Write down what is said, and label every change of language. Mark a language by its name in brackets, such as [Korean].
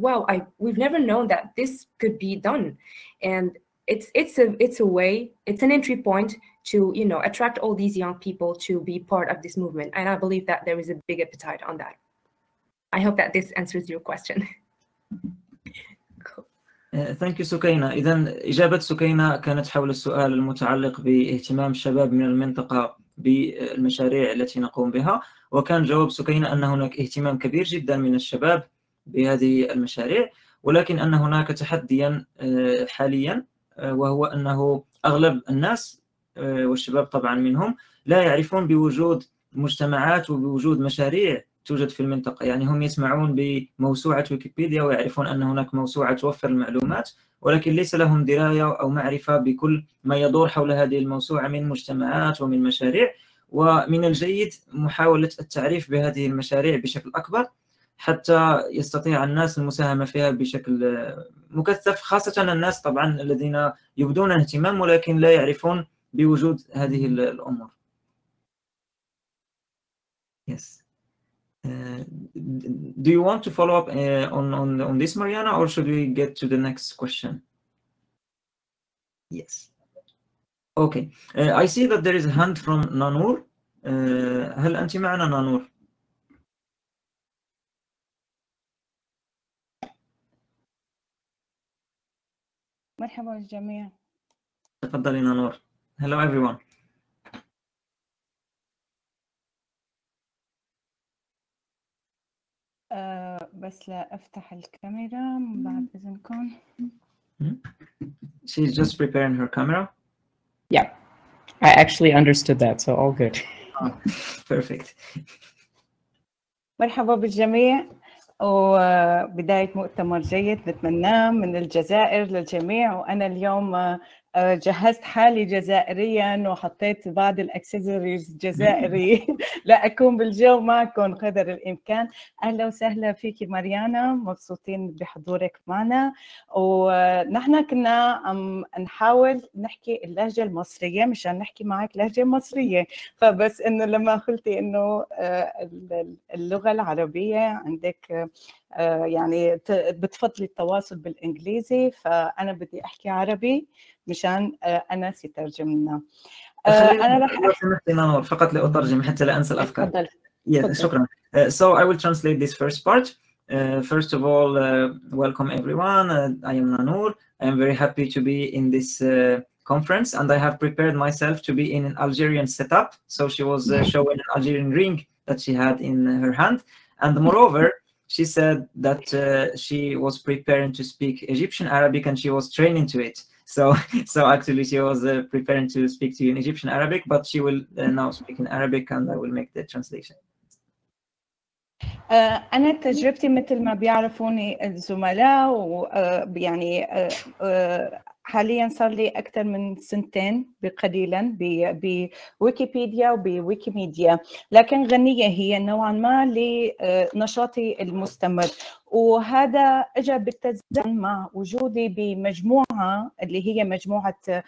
[English] Wow, we've never known that this could be done. And it's a way, it's an entry point to, you know, attract all these young people to be part of this movement. And I believe that there is a big appetite on that. I hope that this answers your question. Thank you, سكينة. [Arabic] إذن إجابة سكينة كانت حول السؤال المتعلق باهتمام الشباب من المنطقة بالمشاريع التي نقوم بها، وكان جواب سكينة أن هناك اهتمام كبير جدا من الشباب بهذه المشاريع، ولكن أن هناك تحديا حاليا، وهو أنه أغلب الناس والشباب طبعا منهم لا يعرفون بوجود مجتمعات وبوجود مشاريع توجد في المنطقة. يعني هم يسمعون بموسوعة ويكيبيديا ويعرفون أن هناك موسوعة توفر المعلومات، ولكن ليس لهم دراية أو معرفة بكل ما يدور حول هذه الموسوعة من مجتمعات ومن مشاريع. ومن الجيد محاولة التعريف بهذه المشاريع بشكل أكبر حتى يستطيع الناس المساهمة فيها بشكل مكثف، خاصة الناس طبعا الذين يبدون اهتمام ولكن لا يعرفون بوجود هذه الأمور. [English] Yes. Do you want to follow up on this, Mariana, or should we get to the next question? Yes. Okay. I see that there is a hand from Nanur. [Arabic] هل أنت معنا Nanur? مرحبا الجميع. تفضلي Nanur. [English] Hello everyone. [Arabic] بس لا أفتح الكاميرا بعد إذنكم. [English] She's just preparing her camera. Yeah, I actually understood that, so all good. Perfect. [Arabic] مرحبا بالجميع وبداية مؤتمر جيد بتمناه من الجزائر للجميع. وأنا اليوم جهزت حالي جزائريا وحطيت بعض الاكسسوارز جزائري لأكون بالجو معكم قدر الامكان. اهلا وسهلا فيك ماريانا، مبسوطين بحضورك معنا. ونحن كنا عم نحاول نحكي اللهجه المصريه مشان نحكي معك لهجه مصريه، فبس انه لما قلتي انه اللغه العربيه عندك يعني بتفضلي التواصل بالانجليزي، فانا بدي احكي عربي مشان أناس يترجم لنا. أنا راح أسمح لنانور فقط لأترجم حتى لا أنسى الأفكار. تفضل. [English] Yeah, شكرا. So I will translate this first part. First of all, welcome everyone. I am Nanur. I am very happy to be in this conference and I have prepared myself to be in an Algerian setup. So she was showing an Algerian ring that she had in her hand. And moreover, she said that she was preparing to speak Egyptian Arabic and she was training to it. So actually she was preparing to speak to you in Egyptian Arabic, but she will now speak in Arabic and I will make the translation. [Arabic] أنا تجربتي مثل ما بيعرفوني الزملاء ويعني حاليا صار لي أكثر من سنتين بقليلا بويكيبيديا وبويكيميديا، لكن غنية هي نوعا ما لنشاطي المستمر، وهذا أجا بالتزامن مع وجودي بمجموعة اللي هي مجموعة